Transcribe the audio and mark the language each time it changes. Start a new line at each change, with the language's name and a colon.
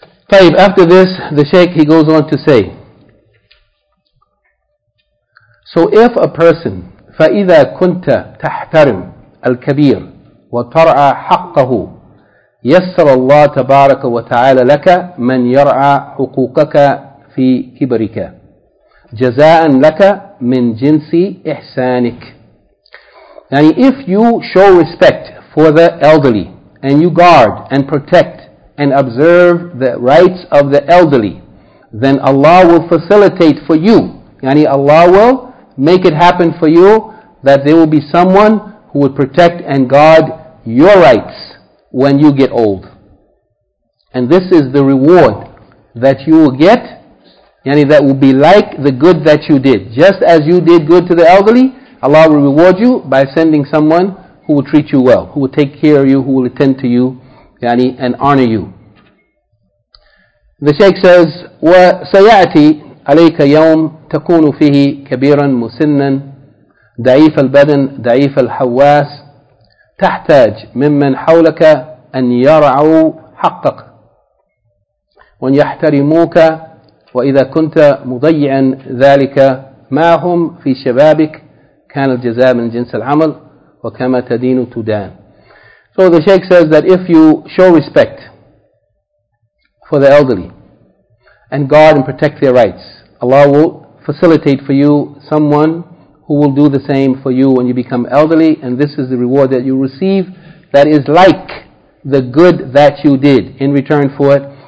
English: Tayyib, after this, the Shaykh, he goes on to say, so if a person,
Arabic: فَإِذَا كُنْتَ تَحْتَرِمْ الْكَبِيرُ وَتَرْعَى حَقَّهُ يسر الله تبارك وتعالى لك من يرعى حقوقك في كبرك جزاء لك من جنس إحسانك.
English: If you show respect for the elderly and you guard and protect and observe the rights of the elderly, then Allah will facilitate for you. Allah will make it happen for you that there will be someone who will protect and guard your rights when you get old. And this is the reward that you will get, that will be like the good that you did. Just as you did good to the elderly, Allah will reward you by sending someone who will treat you well, who will take care of you, who will attend to you, and honor you. The Shaykh says,
Arabic: وَسَيَأْتِي عَلَيْكَ يَوْمٌ تَكُونُ فِيهِ كَبِيرًا مُسِنًّا دَعِيفَ الْبَدَنِ دَعِيفَ الْحَوَّاسِ تحتاج ممن حولك أن يرعوا حقك وأن يحترموك وإذا كنت مضيعا ذلك ما هم في شبابك كان الجزاء من جنس العمل وكما تدين تدان.
English: So the Shaykh says that if you show respect for the elderly and guard and protect their rights, Allah will facilitate for you someone who will do the same for you when you become elderly, and this is the reward that you receive that is like the good that you did in return for it.